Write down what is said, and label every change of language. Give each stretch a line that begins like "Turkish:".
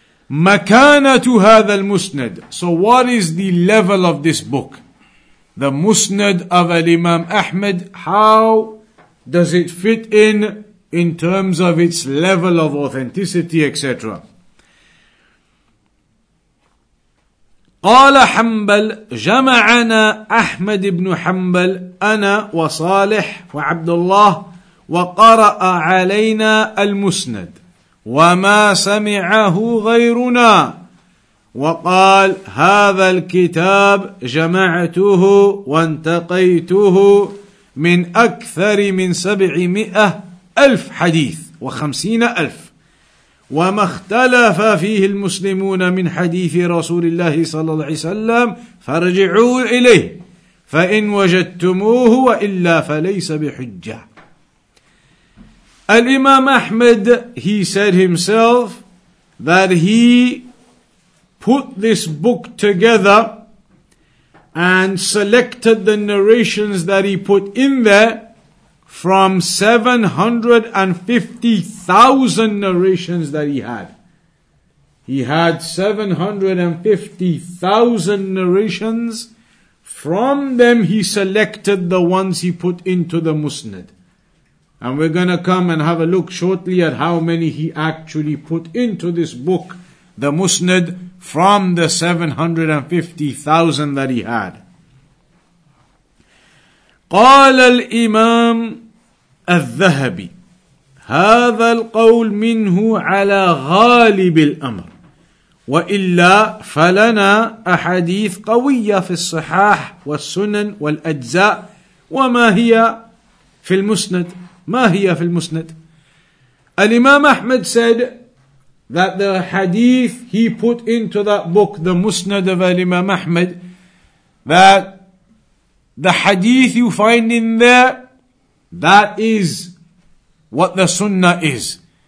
Arabic: Makanatu hadha al-Musnad.
English: So what is the level of this book? The Musnad of Al-Imam Ahmad, how does it fit in terms of its level of authenticity, etc.?
Arabic: قال حنبل جمعنا أحمد بن حنبل أنا وصالح وعبد الله وقرأ علينا المسند وما سمعه غيرنا وقال هذا الكتاب جمعته وانتقيته من أكثر من 700,000 حديث وخمسين ألف وما اختلف فيه المسلمون من حديث رسول الله صلى الله عليه وسلم فرجعوا إليه فإن وجدتموه وإلا فليس بحجة.
English: Al-Imam Ahmad, he said himself that he put this book together and selected the narrations that he put in there from 750,000 narrations that he had. He had 750,000 narrations. From them he selected the ones he put into the Musnad. And we're going to come and have a look shortly at how many he actually put into this book, the Musnad, from the 750,000 that he had.
Arabic: قال الإمام الذهبي هذا القول منه على غالب الأمر وإلا فلنا أحاديث قوية في الصحاح والسنن والأجزاء وما هي في المسند ما هي في المسند.
English: الإمام أحمد said that the hadith he put into that book, the Musnad of Imam Ahmad, that the hadith you find in there, that is what the Sunnah is.